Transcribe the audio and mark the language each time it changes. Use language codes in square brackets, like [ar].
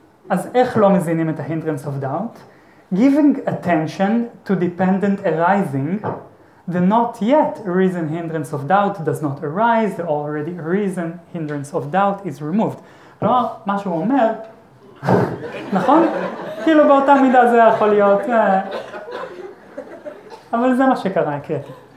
[he] אז איך לא מזינים את ההינדרנס [en] of doubt? Giving attention to dependent arising, the not yet arisen hindrance of doubt does not arise, the already arisen hindrance of doubt is removed. [he] כלומר, מה שהוא אומר, נכון? כאילו באותה מידה זה יכול להיות, אבל זה מה שקרה, הקראתי.